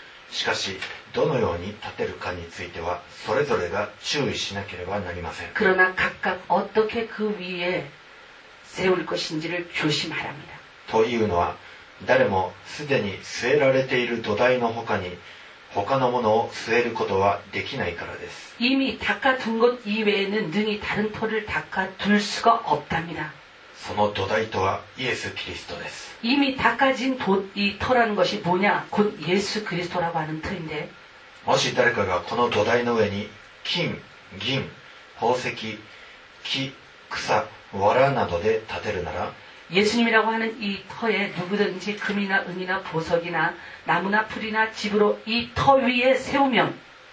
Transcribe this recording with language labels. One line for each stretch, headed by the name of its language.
Japanese: しかしどのように建てるかについてはそれぞれが注意しなければなりません
Korean: 그러나각각어떻게그위에세울것인지를조심하랍니다
Japanese: というのは誰もすでに据えられている土台の他に他のものを据えることはできないからです
Korean: 이미닦아둔것이외에는능히다른터를닦아둘수가없답니다
Japanese: その土台とはイエス・キリストです
Korean: 이미닦아진이터라는것이뭐냐곧예수그리스도라고하는터인데
Japanese: もし誰かがこの土台の上に金、銀、宝石、木、草、藁などで建てるなら
Korean: 예수님이라고하는이터에누구든지금이나은이나보석이나나무나풀이나집으로이터위에세우면